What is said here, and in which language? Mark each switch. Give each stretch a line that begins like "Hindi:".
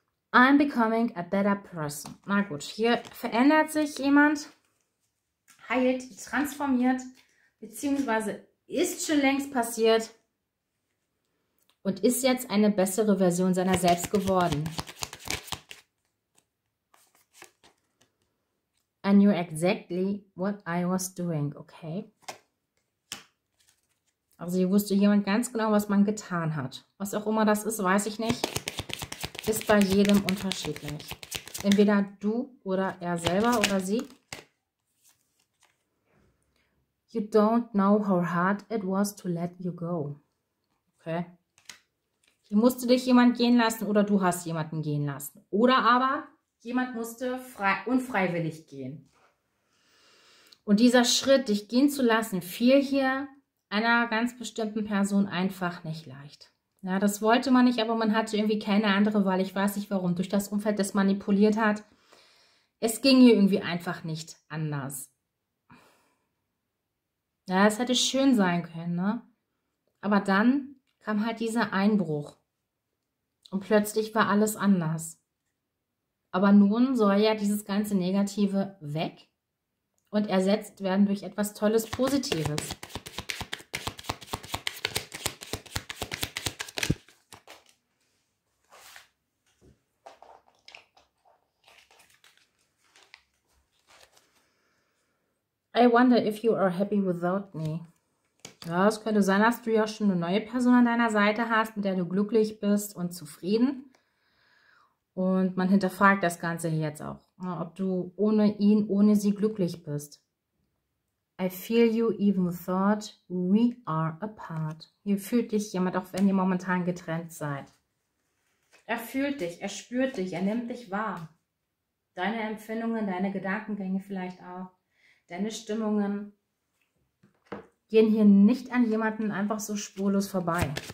English: I'm becoming a better person.
German: Na gut, hier verändert sich jemand, heilt, transformiert, beziehungsweise ist schon längst passiert und ist jetzt eine bessere Version seiner selbst geworden.
English: I knew exactly what I was doing, okay?
German: Also hier wusste jemand ganz genau, was man getan hat. Was auch immer das ist, weiß ich nicht. Ist bei jedem unterschiedlich. Entweder du oder er selber oder sie.
English: You don't know how hard it was to let you go. Okay.
German: Hier musste dich jemand gehen lassen oder du hast jemanden gehen lassen. Oder aber jemand musste unfreiwillig gehen. Und dieser Schritt, dich gehen zu lassen, fiel hier einer ganz bestimmten Person einfach nicht leicht. Ja, das wollte man nicht, aber man hatte irgendwie keine andere Wahl. Ich weiß nicht warum. Durch das Umfeld, das manipuliert hat. Es ging hier irgendwie einfach nicht anders. Ja, es hätte schön sein können, ne? Aber dann kam halt dieser Einbruch. Und plötzlich war alles anders. Aber nun soll ja dieses ganze Negative weg und ersetzt werden durch etwas Tolles, Positives.
English: I wonder if you are happy without me.
German: Ja, es könnte sein, dass du ja schon eine neue Person an deiner Seite hast, mit der du glücklich bist und zufrieden. Und man hinterfragt das Ganze hier jetzt auch, ob du ohne ihn, ohne sie glücklich bist.
English: I feel you even thought we are apart.
German: Hier fühlt dich jemand, auch wenn ihr momentan getrennt seid. Er fühlt dich, er spürt dich, er nimmt dich wahr. Deine Empfindungen, deine Gedankengänge vielleicht auch, deine Stimmungen gehen hier nicht an jemanden einfach so spurlos vorbei.